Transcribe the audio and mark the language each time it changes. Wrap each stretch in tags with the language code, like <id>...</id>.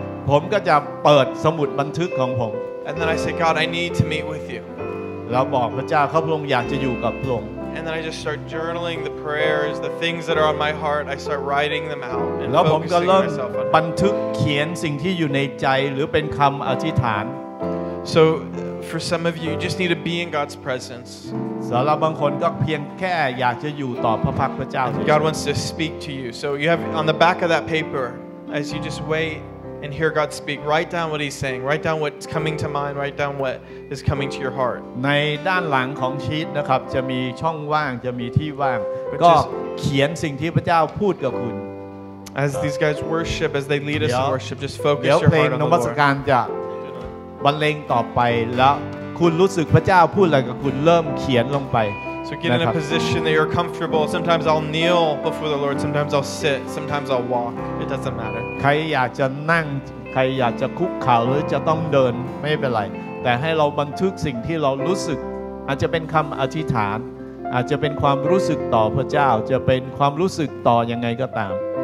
<th>ผมก็จะเปิดสมุดบันทึกของผม</th> <en>And then I say, God, I need to meet with you.</en> <th>เราบอกพระเจ้าครับพระองค์อยากจะอยู่กับพระองค์</th> <en>And then I just start journaling the prayers the things that are on my heart I start writing them out</en> <th>แล้วผมก็เริ่มบันทึกเขียนสิ่งที่อยู่ในใจหรือเป็นคำอธิษฐาน</th> <en>So for some of you you just need to be in God's presence</en> <th>สำหรับบางคนก็เพียงแค่อยากจะอยู่ต่อพระพักตร์พระเจ้า</th> <en>God wants to speak to you so you have on the back of that paper as you just waitAnd hear God speak. Write down what He's saying. Write down what's coming to mind. Write down what is coming to your heart.</en> <th>ในด้านหลังของชีตนะครับจะมีช่องว่างจะมีที่ว่างก็เขียนสิ่งที่พระเจ้าพูดกับคุณ</th> <en>As these guys worship, as they lead us in worship, just focus your heart on the Lord.</en> <th>เพลงนมัสการจะบรรเลงต่อไปแล้วคุณรู้สึกพระเจ้าพูดอะไรกับคุณเริ่มเขียนลงไป</th> <en>So get in a position that you're comfortable. Sometimes I'll kneel before the Lord. Sometimes I'll sit. Sometimes I'll walk. It doesn't matter.</en> <th>ใครอยากจะนั่งใครอยากจะคุกเข่าหรือจะต้องเดินไม่เป็นไรแต่ให้เราบันทึกสิ่งที่เรารู้สึกอาจจะเป็นคำอธิษฐานอาจจะเป็นความรู้สึกต่อพระเจ้าจะเป็นความรู้สึกต่อยังไงก็ตาม</th>